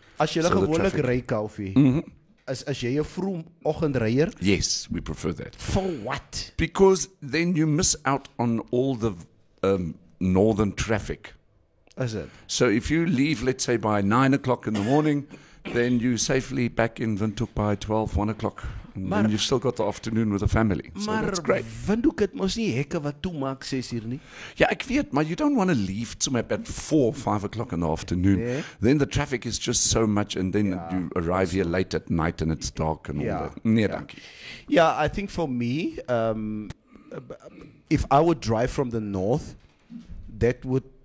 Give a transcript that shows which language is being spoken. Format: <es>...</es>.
<af>As jy gewoonlik ry, Kaufie, as jy 'n vroeg oggend ryer?</af> <en>Yes, we prefer that. For what? Because then you miss out on all the northern traffic. Is it? So if you leave, let's say, by 9 o'clock in the morning, then you're safely back in Windhoek by 12, 1 o'clock. And then you've still got the afternoon with the family. So that's great.</en> <af>Maar Windhoek het mos nie hekke wat toemaak, 6 uur nie? Ja, ek weet, maar</af> <en>you don't want to leave to my bed 4, 5 o'clock in the afternoon. Nee. Then the traffic is just so much, and then you arrive here late at night, and it's dark and all that.</en> <af>Nee, dankie.</af> <en>Yeah, I think for me, if I would drive from the north, that would...</en>